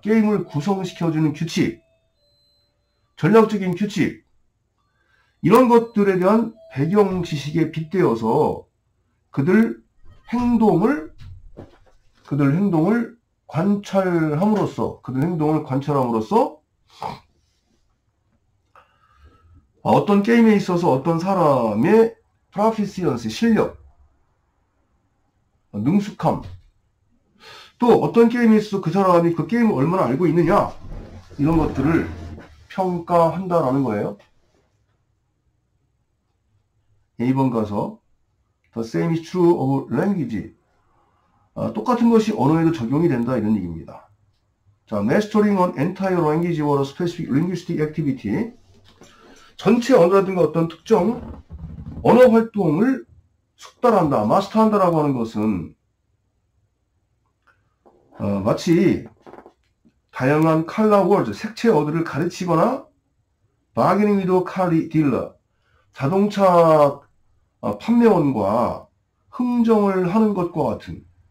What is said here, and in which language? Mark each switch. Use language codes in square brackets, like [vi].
[ko] 게임을 구성시켜주는 규칙, 전략적인 규칙, 이런 것들에 대한 배경 지식에 빗대어서 그들 행동을 관찰함으로써, 그들 행동을 관찰함으로써 어떤 게임에 있어서 어떤 사람의 Proficiency, 실력, 능숙함. 또 어떤 게임에 있어서 그 사람이 그 게임을 얼마나 알고 있느냐? 이런 것들을 평가한다라는 거예요. A번 가서 [en] The same is true of language. [ko] 아, 똑같은 것이 언어에도 적용이 된다. 이런 얘기입니다. 자, [en] mastering an entire language or a specific linguistic activity. [ko] 전체 언어라든가 어떤 특정 언어 활동을 숙달한다, 마스터한다라고 하는 것은 마치 다양한 칼라 월드, 색채 어들을 가르치거나 [en] 바기닝 위드 카리 딜러, [ko] 자동차 판매원과 흥정을 하는 것과 같은